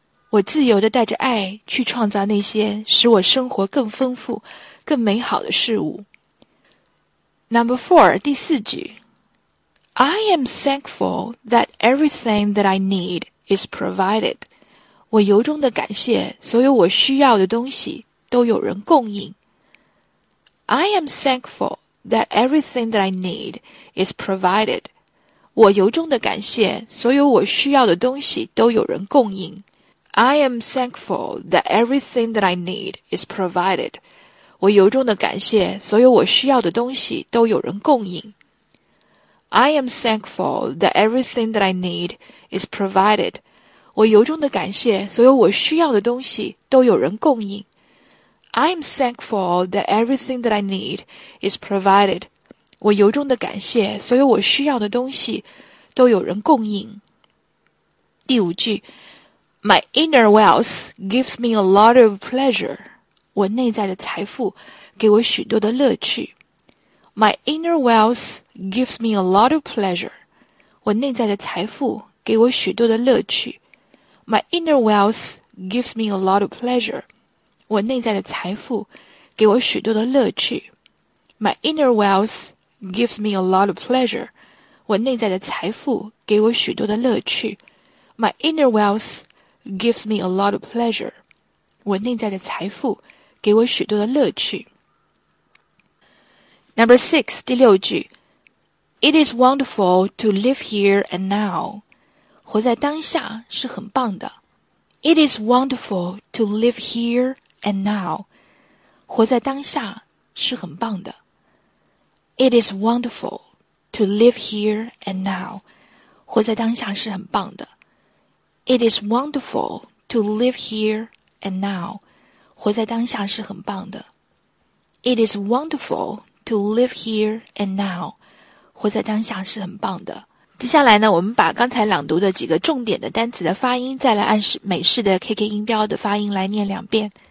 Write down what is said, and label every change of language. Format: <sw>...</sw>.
<zh>我自由地带着爱去创造那些使我生活更丰富、更美好的事物。</zh> <en>Number four,</en> <zh>第四句。</zh> <en>I am thankful that everything that I need is provided.</en> <zh>我由衷地感谢所有我需要的东西都有人供应。</zh> <en>I am thankful that everything that I need is provided.</en> <zh>我由衷地感谢所有我需要的东西都有人供应。</zh> <en>I am thankful that everything that I need is provided.</en> <zh>我由衷地感谢所有我需要的东西都有人供应。</zh> <en>I am thankful that everything that I need is provided.</en> <zh>我由衷地感谢所有我需要的东西都有人供应。</zh> <en>I am thankful that everything that I need is provided.</en> <zh>我由衷地感谢所有我需要的东西都有人供应。第五句</zh> <en>My inner wealth gives me a lot of pleasure.</en> <zh>我内在的财富给我许多的乐趣。</zh> <en>My inner wealth gives me a lot of pleasure.</en> <zh>我内在的财富给我许多的乐趣。</zh> <en>My inner wealth gives me a lot of pleasure.</en> <zh>我内在的财富给我许多的乐趣。</zh> <en>My inner wealth gives me a lot of pleasure.</en> <zh>我内在的财富给我许多的乐趣。</zh> <en>My inner wealth gives me a lot of pleasure.</en> <zh>我内在的财富给我许多的乐趣。</zh> <en>Number six,</en> <zh>第六句。</zh> <en>It is wonderful to live here and now.</en> <zh>活在当下是很棒的。</zh> <en>It is wonderful to live here and now.</en> <zh>活在当下是很棒的。</zh> <en>It is wonderful to live here and now.</en> <zh>活在当下是很棒的。</zh> <en>It is wonderful to live here and now.</en> <zh>活在当下是很棒的。</zh> <en>It is wonderful to live here and now.</en> <zh>活在当下是很棒的。接下来呢，我们把刚才朗读的几个重点的单词的发音再来按美式的 KK 音标的发音来念两遍。</zh>